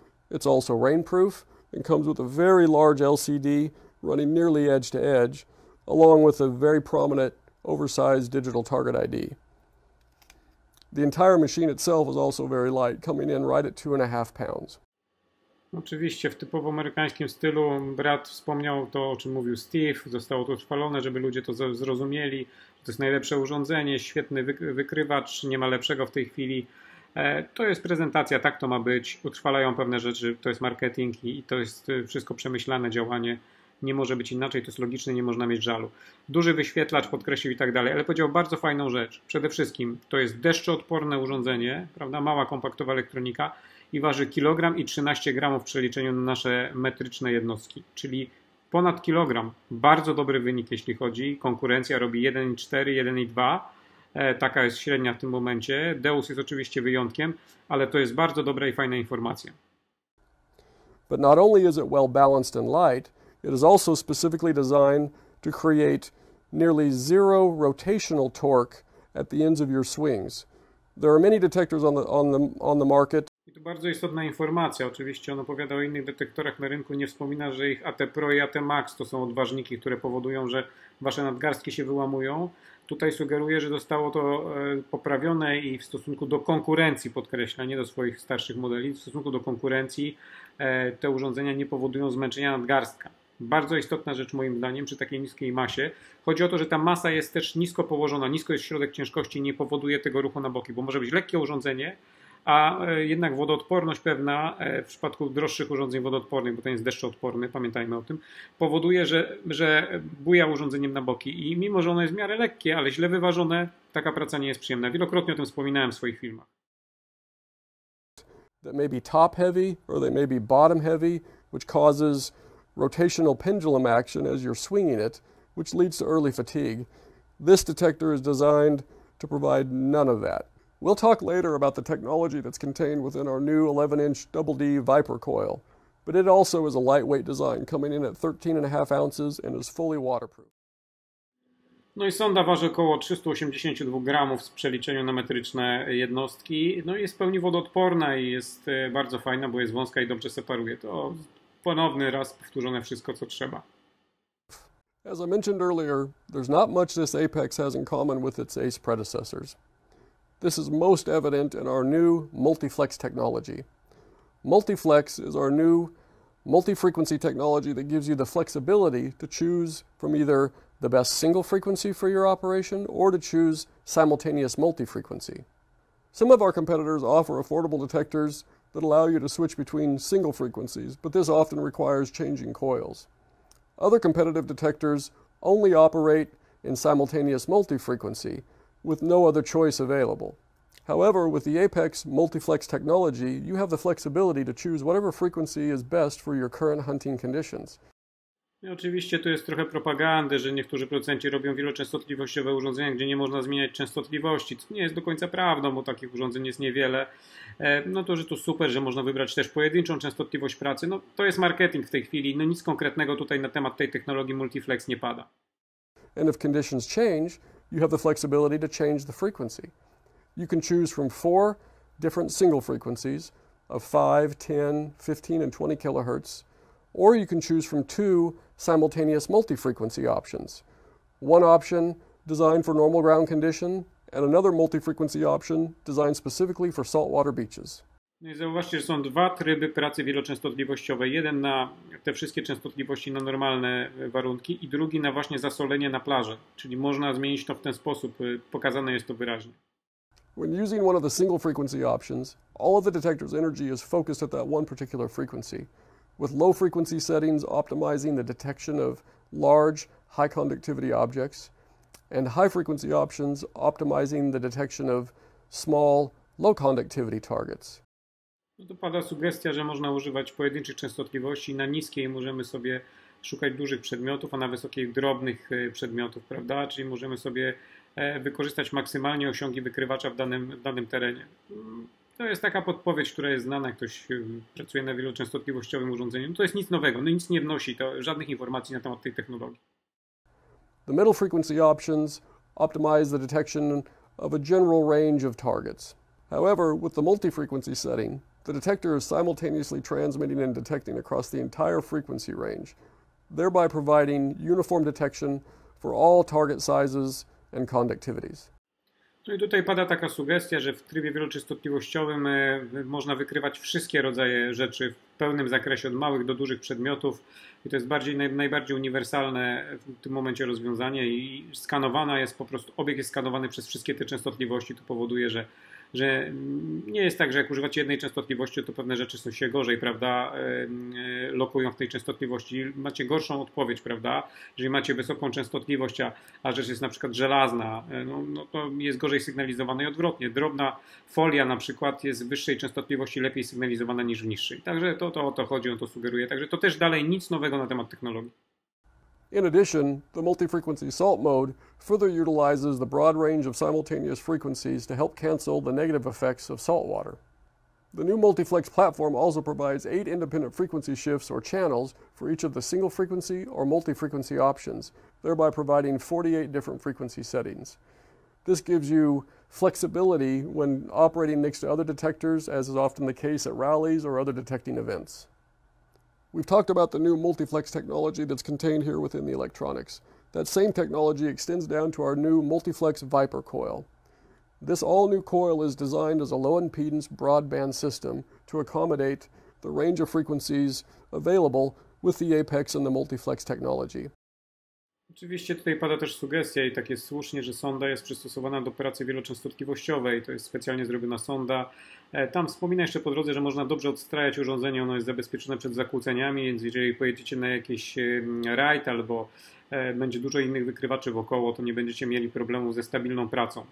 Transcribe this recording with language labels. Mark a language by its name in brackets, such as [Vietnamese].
[English] It's also rainproof and comes with a very large LCD running nearly edge to edge, along with a very prominent oversized digital target ID. The entire machine itself is also very light, coming in right at 2.5 pounds. [Polish] Oczywiście w typowo amerykańskim stylu brat wspomniał to, o czym mówił Steve. Zostało to utrwalone, żeby ludzie to zrozumieli. To jest najlepsze urządzenie, świetny wykrywacz, nie ma lepszego w tej chwili. To jest prezentacja, tak to ma być. Utrwalają pewne rzeczy, to jest marketing i to jest wszystko przemyślane działanie. Nie może być inaczej, to jest logiczne, nie można mieć żalu. Duży wyświetlacz podkreślił i tak dalej, ale powiedział bardzo fajną rzecz. Przede wszystkim to jest deszczoodporne urządzenie, prawda? Mała kompaktowa elektronika i waży kilogram i 13 gramów w przeliczeniu na nasze metryczne jednostki, czyli ponad kilogram. Bardzo dobry wynik, jeśli chodzi. Konkurencja robi 1,4, 1,2. Taka jest średnia w tym momencie. Deus jest oczywiście wyjątkiem, ale to jest bardzo dobra i fajna informacja. [English] But not only is it well balanced and light, it is also specifically designed to create nearly zero rotational torque at the ends of your swings. There are many detectors on the market. [Polish] I to bardzo istotna informacja. Oczywiście on opowiada o innych detektorach na rynku, nie wspomina, że ich AT Pro i AT Max to są odważniki, które powodują, że wasze nadgarstki się wyłamują. Tutaj sugeruje, że zostało to poprawione i w stosunku do konkurencji, podkreśla, nie do swoich starszych modeli, w stosunku do konkurencji te urządzenia nie powodują zmęczenia nadgarstka. Bardzo istotna rzecz moim zdaniem przy takiej niskiej masie. Chodzi o to, że ta masa jest też nisko położona, nisko jest środek ciężkości i nie powoduje tego ruchu na boki, bo może być lekkie urządzenie, a jednak wodoodporność pewna w przypadku droższych urządzeń wodoodpornych, bo ten jest deszczoodporny, pamiętajmy o tym, powoduje, że buja urządzeniem na boki i mimo, że ono jest w miarę lekkie, ale źle wyważone, taka praca nie jest przyjemna. Wielokrotnie o tym wspominałem w swoich filmach. [English] That may be top heavy or they may be bottom heavy, which causes rotational pendulum action as you're swinging it, which leads to early fatigue. This detector is designed to provide none of that. We'll talk later about the technology that's contained within our new 11-inch Double D Viper coil, but it also is a lightweight design, coming in at 13.5 ounces and is fully waterproof. [Polish] No i sonda waży około 382 gramów w przeliczeniu na metryczne jednostki. No i jest w pełni wodoodporna i jest bardzo fajna, bo jest wąska i dobrze separuje. To ponowny raz powtórzone wszystko, co trzeba. [English] As I mentioned earlier, there's not much this Apex has in common with its Ace predecessors. This is most evident in our new multiflex technology. Multiflex is our new multi-frequency technology that gives you the flexibility to choose from either the best single frequency for your operation or to choose simultaneous multi-frequency. Some of our competitors offer affordable detectors that allow you to switch between single frequencies, but this often requires changing coils. Other competitive detectors only operate in simultaneous multi-frequency, with no other choice available. However, with the Apex Multiflex technology, you have the flexibility to choose whatever frequency is best for your current hunting conditions. [Polish] No, oczywiście to jest trochę propagandy, że niektórzy producenci robią wieloczęstotliwościowe urządzenia, gdzie nie można zmieniać częstotliwości. To nie jest do końca prawdą, bo takich urządzeń jest niewiele. No to, że to super, że można wybrać też pojedynczą częstotliwość pracy. No to jest marketing w tej chwili. No nic konkretnego tutaj na temat tej technologii Multiflex nie pada. [English] And if conditions change, you have the flexibility to change the frequency. You can choose from 4 different single frequencies of 5, 10, 15, and 20 kilohertz, or you can choose from 2 simultaneous multi-frequency options. One option designed for normal ground condition, and another multi-frequency option designed specifically for saltwater beaches. [Polish] No i zauważcie, że są dwa tryby pracy wieloczęstotliwościowe. Jeden na te wszystkie częstotliwości na normalne warunki i drugi na właśnie zasolenie na plażę. Czyli można zmienić to w ten sposób. Pokazane jest to wyraźnie. [English] When using one of the single frequency options, all of the detector's energy is focused at that one particular frequency, with low frequency settings optimizing the detection of large, high conductivity objects, and high frequency options optimizing the detection of small, low conductivity targets. [Polish] No to pada sugestia, że można używać pojedynczych częstotliwości. Na niskiej możemy sobie szukać dużych przedmiotów, a na wysokiej drobnych przedmiotów, prawda? Czyli możemy sobie wykorzystać maksymalnie osiągi wykrywacza w danym terenie. To jest taka podpowiedź, która jest znana, jak ktoś pracuje na wieloczęstotliwościowym urządzeniu. No to jest nic nowego, no nic nie wnosi, to żadnych informacji na temat tej technologii. [English] The middle frequency options optimize the detection of a general range of targets. However, with the multi-frequency setting, the detector is simultaneously transmitting and detecting across the entire frequency range, thereby providing uniform detection for all target sizes and conductivities. [Polish] No i tutaj pada taka sugestia, że w trybie wieloczęstotliwościowym można wykrywać wszystkie rodzaje rzeczy w pełnym zakresie, od małych do dużych przedmiotów. I to jest najbardziej uniwersalne w tym momencie rozwiązanie. I skanowana jest po prostu, obiekt jest skanowany przez wszystkie te częstotliwości. To powoduje, że nie jest tak, że jak używacie jednej częstotliwości, to pewne rzeczy są się gorzej, prawda, lokują w tej częstotliwości. Macie gorszą odpowiedź, prawda, jeżeli macie wysoką częstotliwość, a rzecz jest na przykład żelazna, no to jest gorzej sygnalizowana i odwrotnie. Drobna folia na przykład jest w wyższej częstotliwości lepiej sygnalizowana niż w niższej. Także to o to chodzi, on to sugeruje. Także to też dalej nic nowego na temat technologii. [English] In addition, the multi-frequency salt mode further utilizes the broad range of simultaneous frequencies to help cancel the negative effects of salt water. The new multiflex platform also provides 8 independent frequency shifts or channels for each of the single frequency or multi-frequency options, thereby providing 48 different frequency settings. This gives you flexibility when operating next to other detectors, as is often the case at rallies or other detecting events. We've talked about the new multiflex technology that's contained here within the electronics. That same technology extends down to our new multiflex Viper coil. This all-new coil is designed as a low-impedance broadband system to accommodate the range of frequencies available with the APEX and the multiflex technology. [Polish] Oczywiście tutaj pada też sugestia i tak jest słusznie, że sonda jest przystosowana do operacji wieloczęstotliwościowej. To jest specjalnie zrobiona sonda. Tam wspomina jeszcze po drodze, że można dobrze odstrajać urządzenie, ono jest zabezpieczone przed zakłóceniami, więc jeżeli pojedziecie na jakiś rajd albo będzie dużo innych wykrywaczy wokoło, to nie będziecie mieli problemu ze stabilną pracą.